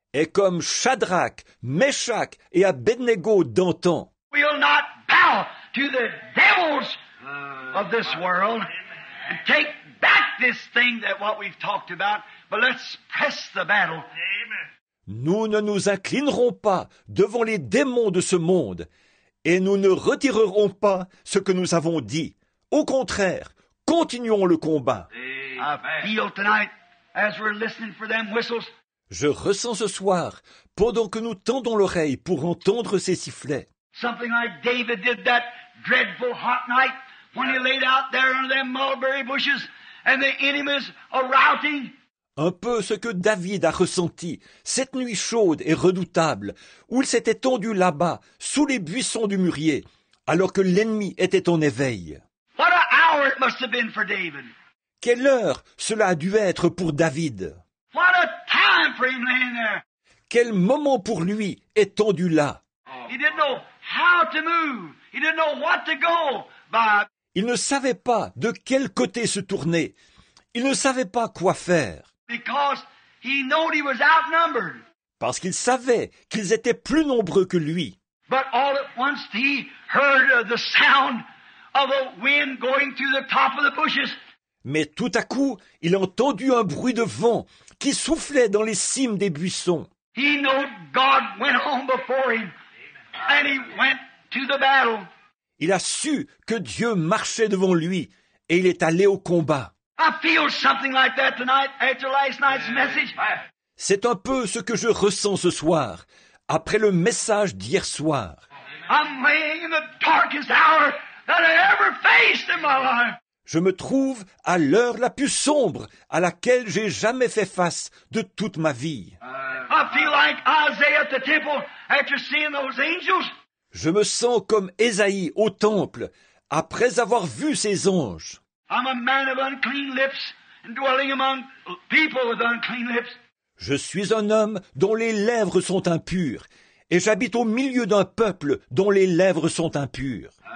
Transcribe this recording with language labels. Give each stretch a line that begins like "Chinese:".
French: Et comme Shadrach, Meshach et Abednego d'antan.
English: We'll not bow to the devils of this world and take back this thing that what we've talked about, but let's press the battle. Amen.
French: Nous ne nous inclinerons pas devant les démons de ce monde et nous ne retirerons pas ce que nous avons dit. Au contraire, continuons le combat.
English: Amen. I feel tonight as we're listening for them whistles.
French: Je ressens ce soir, pendant que nous tendons l'oreille pour entendre ces sifflets.
English: Something like David did that dreadful hot night when he laid out there under them mulberry bushes and the enemies are routing.
French: Un peu ce que David a ressenti cette nuit chaude et redoutable où il s'est étendu là-bas sous les buissons du mûrier alors que l'ennemi était en éveil.
English: What an hour it must have been for David.
French: Quelle heure cela a dû être pour David.
English: What a time for him laying there.
French: Quel moment pour lui étendu là.
English: He didn't know how to move. He didn't know what to go by.
French: Il ne savait pas de quel côté se tourner. Il ne savait pas quoi faire.
English: Because he knew he was outnumbered.
French: Parce qu'il savait qu'ils étaient plus nombreux que lui.
English: But all at once he heard the sound of a wind going through the top of the bushes.
French: Mais tout à coup, il entendit un bruit de vent qui soufflait dans les cimes des buissons.
English: He knew God went on before him. And he went to the battle.
French: Il a su que Dieu marchait devant lui et il est allé au combat.
English: I feel something like that tonight after last night's message.
French: C'est un peu ce que je ressens ce soir après le message d'hier soir.
English: I'm laying in the darkest hour that I ever faced in my life.
French: Je me trouve à l'heure la plus sombre à laquelle j'ai jamais fait face de toute ma vie.
English: I feel like Isaiah at the temple after seeing those angels.
French: Je me sens comme Ésaïe au temple après avoir vu ces anges.
English: I'm a man of unclean lips and dwelling among people with unclean lips.
French: Je suis un homme dont les lèvres sont impures et j'habite au milieu d'un peuple dont les lèvres sont impures.